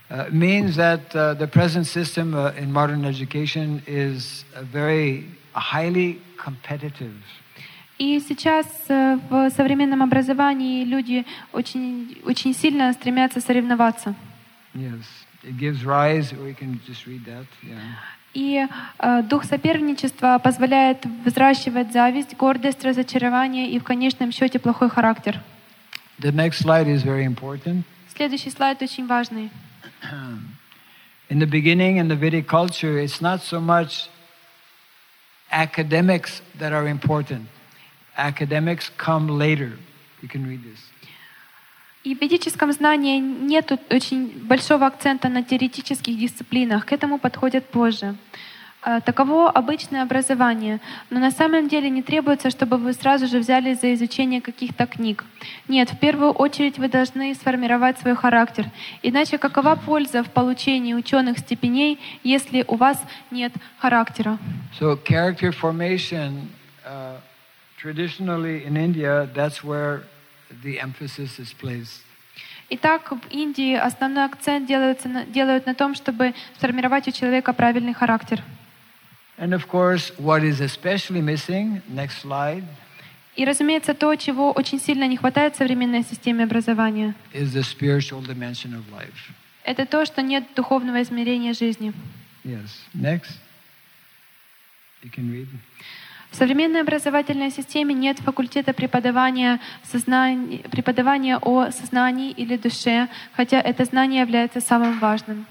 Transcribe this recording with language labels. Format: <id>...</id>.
<en>means that the present system in modern education is very highly competitive.</en> <ru>И сейчас в современном образовании люди очень сильно стремятся соревноваться.</ru> <en>Yes, it gives rise. We can just read that. Yeah.</en> <ru>И дух соперничества позволяет взращивать зависть, гордость, разочарование и в конечном счете плохой характер.</ru> <en>The next slide is very important.</en> <ru>Следующий слайд очень важный.</ru> <en>In the beginning, in the Vedic culture, it's not so much academics that are important. Academics come later. You can read this.</en> <ru>И в ведическом знании нет очень большого акцента на теоретических дисциплинах. К этому подходят позже. Таково обычное образование. Но на самом деле не требуется, чтобы вы сразу же взяли за изучение каких-то книг. Нет, в первую очередь вы должны сформировать свой характер. Иначе какова польза в получении ученых степеней, если у вас нет характера?</ru> <en>So character formation, traditionally in India, that's where the emphasis is placed.</en> <ru>Итак, в Индии основной акцент делают на том, чтобы сформировать у человека правильный характер.</ru> <en>And of course, what is especially missing, next slide.</en> <ru>И, разумеется, то, чего очень сильно не хватает в современной системе образования.</ru> <en>Is the spiritual dimension of life.</en> <ru>Это то, что нет духовного измерения жизни.</ru> <en>Yes. Next. You can read.</en> <ru>В современной образовательной системе нет факультета преподавания о сознании или душе, хотя это знание является самым важным.</ru>